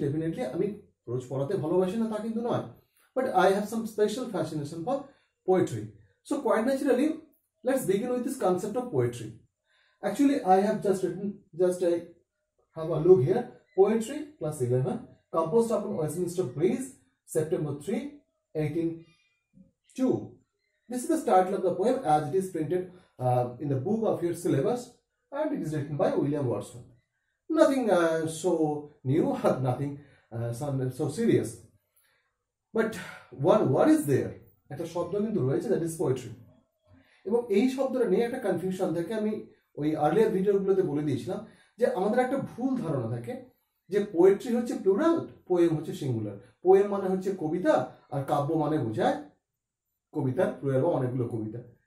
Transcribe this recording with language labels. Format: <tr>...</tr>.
<bn>Definitely আমি রোজ পড়াতে ভালোবাসি না তা কিন্তু নয়,</bn> <en>But I have some special fascination for poetry. So quite naturally let's begin with this concept of poetry. Actually I have just written, just I have a look here, poetry class eleven composed upon Westminster Bridge September 3, 1802। This is the title of the poem as it is printed in the book of your syllabus, and it is written by William Wordsworth. Nothing so new, nothing so serious. But one word is there,</en> <bn>একটা শব্দ কিন্তু রয়েছে,</bn> <en>that is poetry.</en> <bn>এবং এই শব্দটা নিয়ে একটা confusion থাকে। আমি ওই আর্লিয়ার ভিডিওগুলোতে বলে দিয়েছিলাম যে আমাদের একটা ভুল ধারণা থাকে যে পোয়েট্রি হচ্ছে প্লুরাল, পোয়েম হচ্ছে সিঙ্গুলার। পোয়েম মানে হচ্ছে কবিতা, আর কাব্য মানে বোঝায় কবিতার প্লুরাল বা অনেকগুলো কবিতা।</bn>